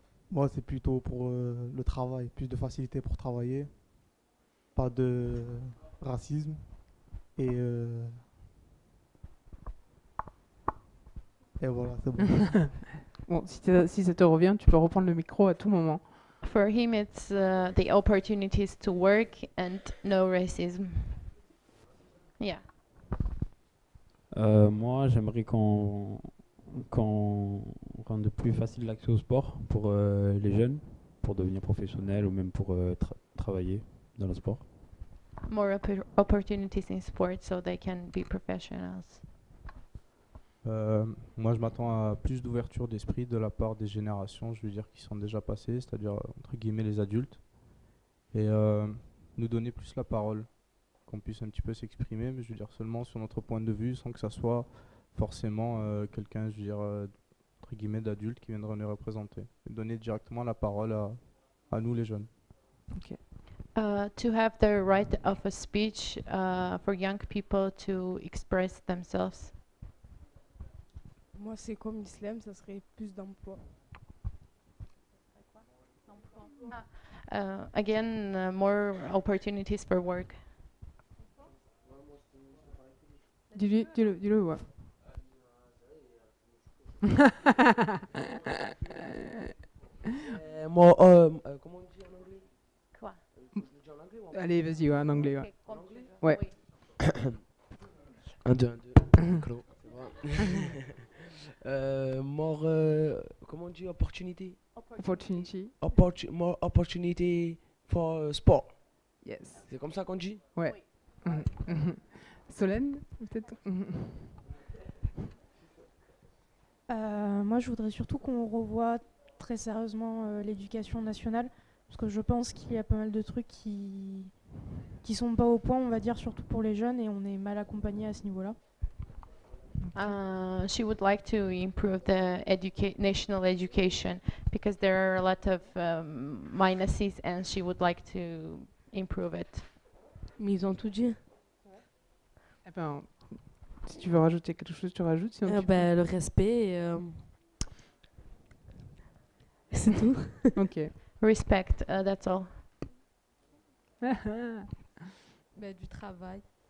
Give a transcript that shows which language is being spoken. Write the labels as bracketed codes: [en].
[fr] Moi, c'est plutôt pour le travail, plus de facilité pour travailler, pas de racisme et voilà, c'est bon. Bon, si ça te revient, tu peux reprendre le micro à tout moment. [en] For him, it's the opportunities to work and no racism. Yeah. [fr] Moi, j'aimerais qu'on rende plus facile l'accès au sport pour les jeunes, pour devenir professionnels ou même pour travailler dans le sport. [en] More opportunities in sport so they can be professionals. [fr] Moi, je m'attends à plus d'ouverture d'esprit de la part des générations, je veux dire, qui sont déjà passées, c'est-à-dire, entre guillemets, les adultes, et nous donner plus la parole, qu'on puisse un petit peu s'exprimer, mais je veux dire, seulement sur notre point de vue, sans que ça soit forcément quelqu'un, je veux dire, entre guillemets, d'adulte qui viendrait nous représenter. Et donner directement la parole à nous, les jeunes. Ok. [en] To have the right of a speech for young people to express themselves. [fr] Moi, c'est comme l'islam, ça serait plus d'emploi. [en] Again, more opportunities for work. [fr] Dis-le, ouais. comment on dit en anglais? Quoi? Allez, vas-y, ouais, en anglais. Ouais. Okay, ouais. Oui. un, deux. more, comment on dit, opportunity? [en] Opportunity. More opportunity for sport. Yes. [fr] C'est comme ça qu'on dit? Ouais. Oui. Solène, peut-être? Moi, je voudrais surtout qu'on revoie très sérieusement l'éducation nationale, parce que je pense qu'il y a pas mal de trucs qui sont pas au point, on va dire, surtout pour les jeunes, et on est mal accompagnés à ce niveau-là. [en] She would like to improve the national education because there are a lot of minuses and she would like to improve it. [fr] Mais ils ont tout dit. Eh ben, si tu veux rajouter quelque chose, tu rajoutes. Sinon Ben, le respect. C'est tout. Ok. [en] Respect, that's all. [fr] Ben, du travail.